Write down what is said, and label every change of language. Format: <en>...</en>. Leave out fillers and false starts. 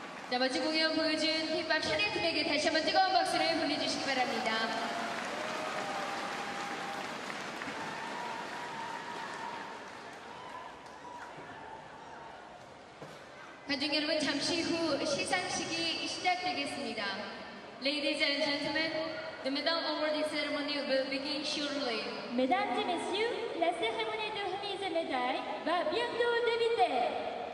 <ko>자, 멋진 공연 보여준 힙합 샤넬팀에게 다시 한번 뜨거운 박수를 보내주시기 바랍니다. 관중 여러분, 잠시 후 시상식이 시작되겠습니다.</ko> <en>Ladies and gentlemen, the medal awarding ceremony will begin shortly.</en> <fr>Mesdames et messieurs, la cérémonie de remise des médailles va bientôt débuter.</fr>